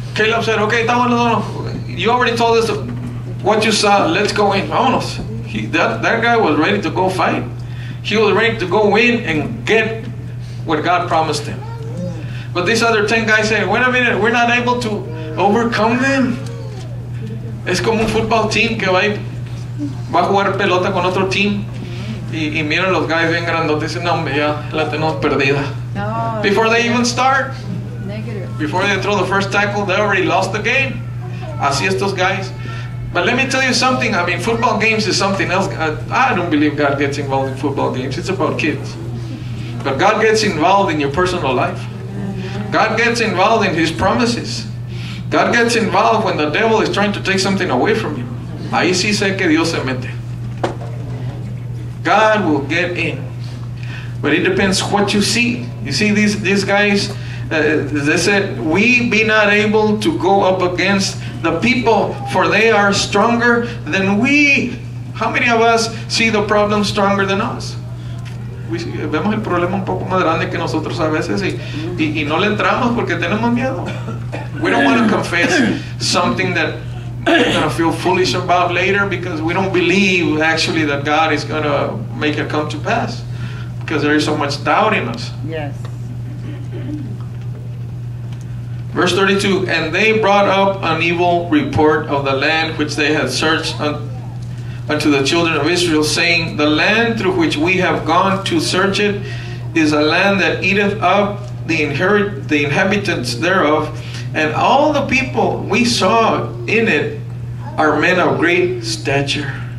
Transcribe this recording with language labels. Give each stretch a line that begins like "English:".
English: Caleb said, okay, you already told us what you saw. Let's go in.
Spanish: Vámonos.
English: That guy was ready to go fight. He was ready to go in and get what God promised him. But these other 10 guys said, wait a minute, we're not able to overcome them.
Spanish: Es como un
English: football team
Spanish: que va a jugar pelota con otro team. Y miren los guys bien grandotes. No, ya la tenemos perdida.
English: Before they even start, before they throw the first tackle, they already lost the game.
Spanish: Así estos guys.
English: But let me tell you something. I mean, football games is something else. I don't believe God gets involved in football games. It's about kids. But God gets involved in your personal life. God gets involved in His promises. God gets involved when the devil is trying to take something away from you.
Spanish: Ahí sí sé que Dios se mete.
English: God will get in. But it depends what you see. You see these guys, they said, we be not able to go up against the people, for they are stronger than we. How many of us see the problem stronger than us? We
Spanish: vemos el problema un poco más grande que nosotros a veces y no le entramos porque tenemos miedo.
English: We don't want to confess something that we're going to feel foolish about later because we don't believe actually that God is going to make it come to pass because there is so much doubt in us. Yes. Verse 32, and they brought up an evil report of the land which they had searched unto the children of Israel, saying, the land through which we have gone to search it is a land that eateth up the inhabitants thereof, and all the people we saw in it are men of great stature.